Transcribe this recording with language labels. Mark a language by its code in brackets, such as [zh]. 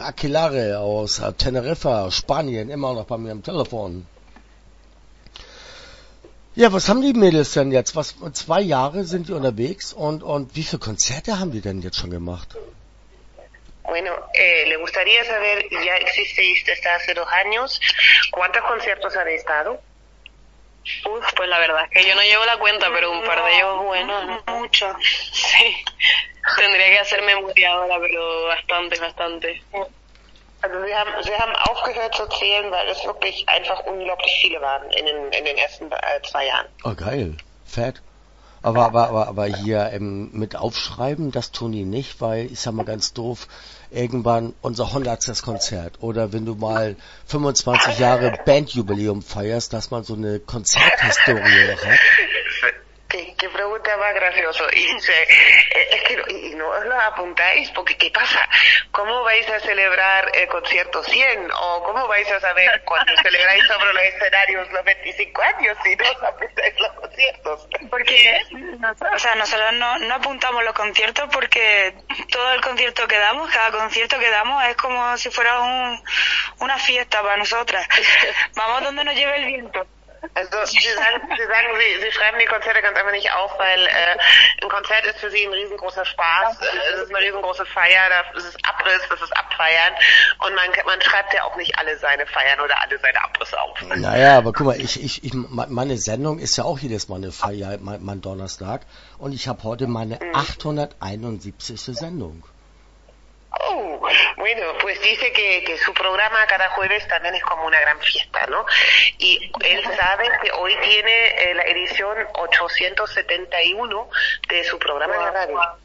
[de] Aquilare aus Teneriffa, Spanien, immer noch bei mir am Telefon. Ja, was haben die Mädels denn jetzt? Was, 2 Jahre sind die unterwegs und wie viele Konzerte haben die denn jetzt schon gemacht? [es] Bueno, le gustaría saber, ya exististe hace 2 años, ¿cuántos conciertos han estado? Pues la verdad es que yo no llevo la cuenta, pero un par de ellos, bueno, mucho. Sí, tendría que hacer memoria ahora, pero bastante, bastante. [de] Sie haben aufgehört zu zählen, weil es wirklich einfach unglaublich viele waren in den ersten 2 Jahren. Oh, geil, fett. Aber hier mit aufschreiben, das tun die nicht, weil, ich sag mal ganz doof, irgendwann unser 100. Konzert oder wenn du mal 25 Jahre Bandjubiläum feierst, dass man so eine Konzerthistorie noch hat. [es] Qué pregunta más gracioso. Y dice, es que no os lo apuntáis, porque ¿qué pasa? ¿Cómo vais a celebrar el concierto 100? ¿O cómo vais a saber cuando celebráis sobre los escenarios los 25 años si no os apuntáis los conciertos? Porque, o sea, nosotros no apuntamos los conciertos porque todo el concierto que damos, cada concierto que damos es como si fuera una fiesta para nosotras. Vamos donde nos lleve el viento. [de] Also sie schreiben die Konzerte ganz einfach nicht auf, weil ein Konzert ist für sie ein riesengroßer Spaß, es ist eine riesengroße Feier, das ist Abriss, das ist Abfeiern und man schreibt ja auch nicht alle seine Feiern oder alle seine Abrisse auf. Naja, aber guck mal, ich meine Sendung ist ja auch jedes Mal eine Feier, mein Donnerstag und ich habe heute meine 871. Sendung. [es] Oh, bueno, pues dice que su programa cada jueves también es como una gran fiesta, ¿no? Y él sabe que hoy tiene la edición 871 de su programa de radio.